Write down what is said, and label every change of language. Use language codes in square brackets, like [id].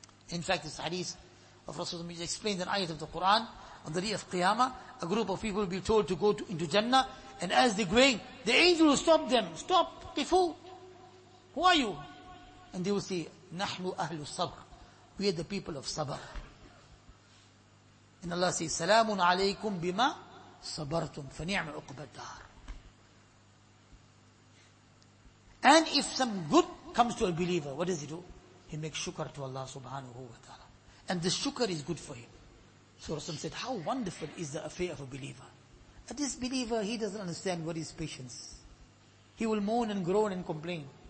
[en] In fact, this hadith of Rasulullah explained an ayat of the Quran, on the day of Qiyamah, a group of people will be told to go into Jannah, and as they're going, the angel will stop them. Stop, kifu. Who are you? And they will say, [ar] نَحْنُ أَهْلُ [en] sabr. We are the people of sabr. And Allah says, [ar] سَلَامٌ عَلَيْكُمْ بِمَا صَبَرْتُمْ فَنِعْمَ عُقْبَ الدَّارِ. [en] And if some good comes to a believer, what does he do? He makes shukr to Allah subhanahu wa ta'ala. And the shukr is good for him. So Rasulullah said, how wonderful is the affair of a believer. A disbeliever, he doesn't understand what is patience. He will moan and groan and complain.